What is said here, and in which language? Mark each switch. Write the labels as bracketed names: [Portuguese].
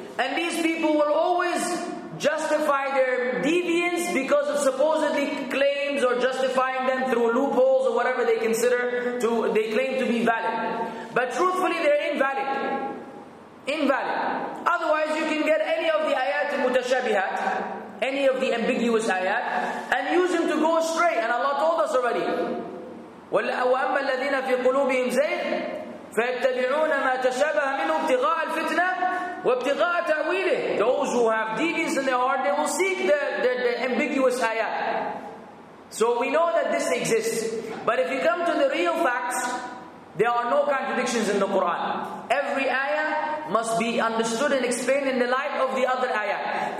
[English] And these people will always justify their deviance because of supposedly claims or justifying them through loopholes or whatever they claim to be valid. But truthfully, they're invalid. Invalid. Otherwise, you can get any of the ayat mutashabihat, any of the ambiguous ayat, and use them to go astray. And Allah told us already, [Arabic] وَأَمَّا الَّذِينَ فِي قُلُوبِهِمْ زَيْغٌ فيتبعون ما تشابه منه ابتغاء الفتنة وابتغاء تأويله. [English] Those who have deviance in their heart, they will seek the ambiguous ayat. So we know that this exists. But if you come to the real facts, there are no contradictions in the Quran. Every ayah must be understood and explained in the light of the other ayah.